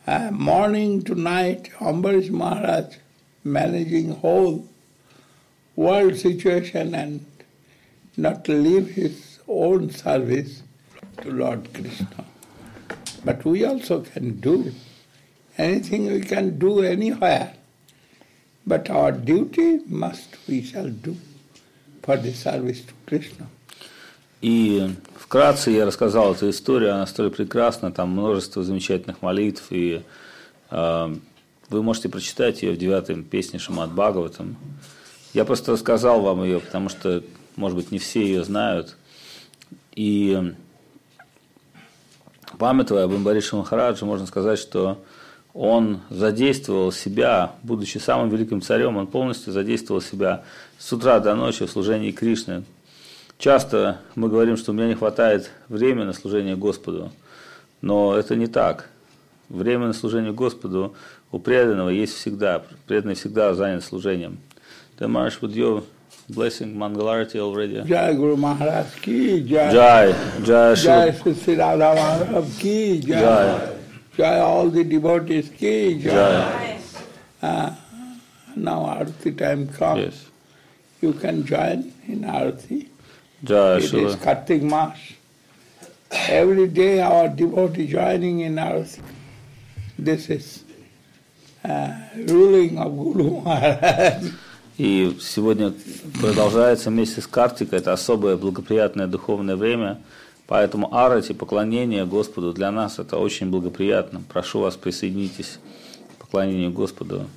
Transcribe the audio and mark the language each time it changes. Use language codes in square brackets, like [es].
[en] Morning to night, Ambarish Maharaj managing whole world situation and not leave his own service to Lord Krishna. But we also can do anything, we can do anywhere. But our duty must we shall do for the service to Krishna. [ru] И вкратце я рассказал эту историю, она столь прекрасна, там множество замечательных молитв, и вы можете прочитать ее в 9-й песне Шримад Бхагаватам. Я просто рассказал вам ее, потому что, может быть, не все ее знают. И памятуя об Амбарише Махарадже, можно сказать, что он задействовал себя, будучи самым великим царем, он полностью задействовал себя с утра до ночи в служении Кришне. Часто мы говорим, что у меня не хватает времени на служение Господу, но это не так. Время на служение Господу у преданного есть всегда. Преданный всегда занят служением. Ты можешь [en] with your blessing Mangalarti already. [hi] Jai Guru Maharaj ki jai. Jai. Jai Sri Radha Maharaj ki jai. Jai. [en] Jai all the devotees ki jai. [hi] Jai. [en] Now arati time comes. Yes. You can join in arati. [hi] Jai it Shula. [en] Is Kartik Mas. Every day our devotee joining in arati. This is ruling of Guru Maharaj. [ru] И сегодня продолжается месяц Картика, это особое благоприятное духовное время, поэтому арати, поклонение Господу для нас, это очень благоприятно. Прошу вас, присоединитесь к поклонению Господу.